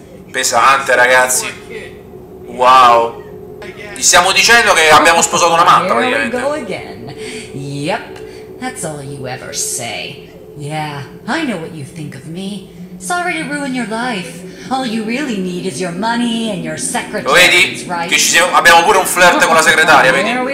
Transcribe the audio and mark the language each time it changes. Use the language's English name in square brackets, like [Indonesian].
[Italian] Pesante, ragazzi. Wow. Gli stiamo dicendo che abbiamo sposato una matta, praticamente. [English] Yep. That's all you ever say. Yeah, I know what you think of me. Sorry to ruin your life. All you really need is your money and your secretary. [Italian] Lo vedi? Che ci siamo, abbiamo pure un flirt con la segretaria, vedi?